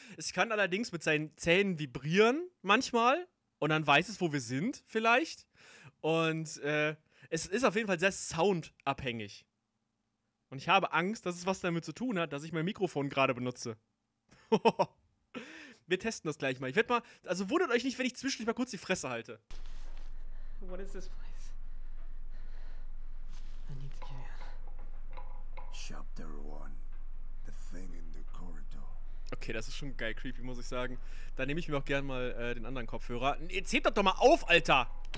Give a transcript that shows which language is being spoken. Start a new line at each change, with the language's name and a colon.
German: Es kann allerdings mit seinen Zähnen vibrieren manchmal und dann weiß es, wo wir sind vielleicht. Und es ist auf jeden Fall sehr soundabhängig. Und ich habe Angst, dass es was damit zu tun hat, dass ich mein Mikrofon gerade benutze. Wir testen das gleich mal. Ich werde mal, also wundert euch nicht, wenn ich zwischendurch mal kurz die Fresse halte.
English: What is this place? I need to get in. Chapter 1. The thing in the corridor.
German: Okay, das ist schon geil creepy, muss ich sagen. Da nehme ich mir auch gerne mal den anderen Kopfhörer. Jetzt hebt doch mal auf, Alter!